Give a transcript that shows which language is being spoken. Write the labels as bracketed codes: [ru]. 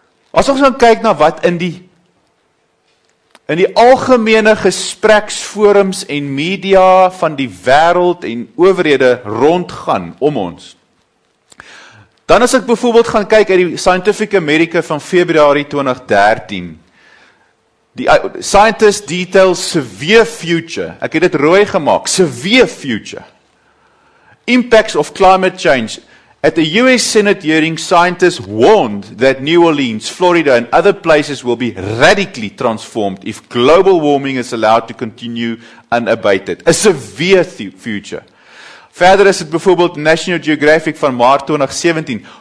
[af] As ons dan kyk na wat in die algemene gespreksforums en media van die wêreld en owerhede rondgaan om ons. Dan as ek byvoorbeeld gaan kyk uit die Scientific American van Februarie 2013. [en] Die scientist details severe future. [af] Ek het dit rooi gemaak, [en] severe future. Impacts of climate change. At the US Senate hearing, scientists warned that New Orleans, Florida and other places will be radically transformed if global warming is allowed to continue unabated. A severe future. [af] Verder is het bijvoorbeeld National Geographic van maart 2017.